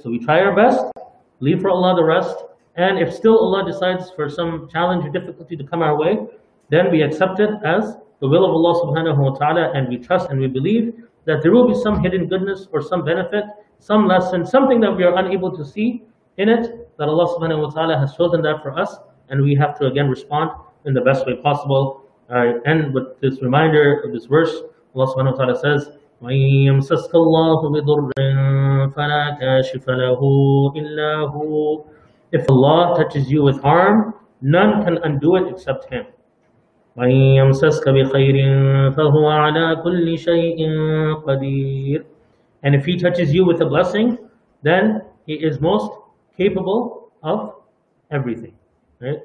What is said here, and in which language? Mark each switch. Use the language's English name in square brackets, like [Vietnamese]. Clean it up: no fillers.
[English] So we try our best, leave for Allah the rest, and if still Allah decides for some challenge or difficulty to come our way, then we accept it as the will of Allah subhanahu wa ta'ala, and we trust and we believe that there will be some hidden goodness or some benefit, some lesson, something that we are unable to see in it, that Allah subhanahu wa ta'ala has chosen that for us, and we have to again respond in the best way possible. I end with this reminder of this verse. Allah subhanahu wa ta'ala says, [Arabic] وَيَمْسَسْكَ اللَّهُ بِضُرٍّ فَلَا كَاشِفَ لَهُ إِلَّا هُوَ. [English] If Allah touches you with harm, none can undo it except Him. [Arabic] وَيَمْسَسْكَ بِخَيْرٍ فَهُوَ عَلَى كُلِّ شَيْءٍ قَدِيرٍ. [English] And if He touches you with a blessing, then He is most capable of everything, right?